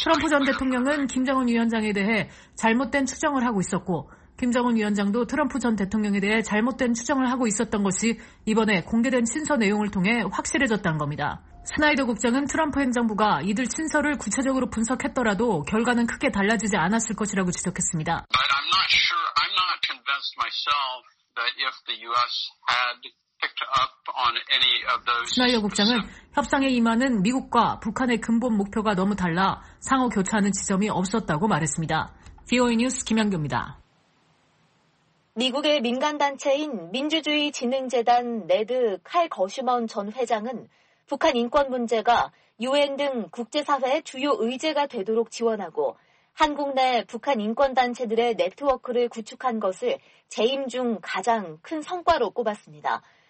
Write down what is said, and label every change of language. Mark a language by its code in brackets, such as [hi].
[ko] 트럼프 전 대통령은 김정은 위원장에 대해 잘못된 추정을 하고 있었고 김정은 위원장도 트럼프 전 대통령에 대해 잘못된 추정을 하고 있었던 것이 이번에 공개된 친서 내용을 통해 확실해졌다는 겁니다. 스나이더 국장은 트럼프 행정부가 이들 친서를 구체적으로 분석했더라도 결과는 크게 달라지지 않았을 것이라고 지적했습니다. [en] But I'm not sure, I'm not convinced myself that if the U.S. had picked up on any of those... [ko] 스나이더 국장은 협상의 임하는 미국과 북한의 근본 목표가 너무 달라 상호 교차하는 지점이 없었다고 말했습니다. VOA 뉴스 김양규입니다. 미국의 민간단체인 민주주의진흥재단 네드 칼 거슈먼 전 회장은 북한 인권 문제가 유엔 등 국제사회의 주요 의제가 되도록 지원하고 한국 내 북한 인권단체들의 네트워크를 구축한 것을 재임 중 가장 큰 성과로 꼽았습니다.